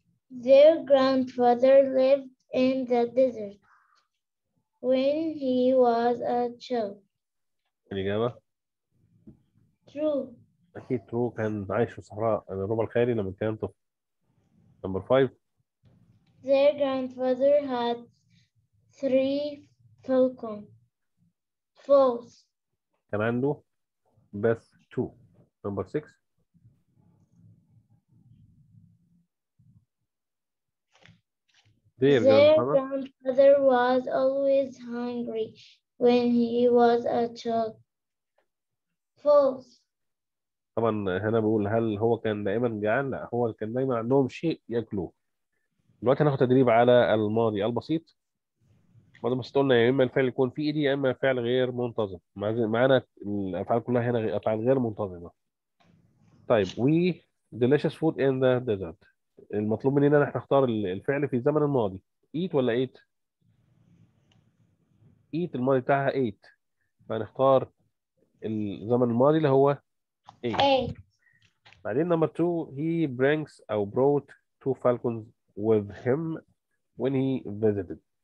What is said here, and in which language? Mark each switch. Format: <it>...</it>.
<en>Their grandfather lived in the desert when he was a child.</en> <ar>الإجابة</ar> <en>true.</en> <ar>أكيد true. كان عايش في الصحراء الربع الخيري لما كان طفل.</ar> <en>Number 5. Their grandfather had three falcons. False.</en> <ar>كان عنده بس 2. نمبر 6.</ar> <en>Their grandfather was always hungry when he was a child. False.</en> <ar>طبعا هنا بقول هل هو كان دائما جعان؟ لا، هو كان دائما عندهم شيء ياكلوه. دلوقتي هناخد تدريب على الماضي البسيط. الماضي البسيط قلنا يا اما الفعل يكون في ايدي يا اما فعل غير منتظم. معانا الافعال كلها هنا افعال غير منتظمه.</ar> <en>طيب we delicious food in the desert.</en> <ar>المطلوب مننا ان احنا نختار الفعل في الزمن الماضي. eat ولا ate؟ eat الماضي بتاعها ate، فنختار الزمن الماضي اللي هو ate. بعدين نمبر 2،</ar> <en>he brings او brought two falcons with him when he visited.</en>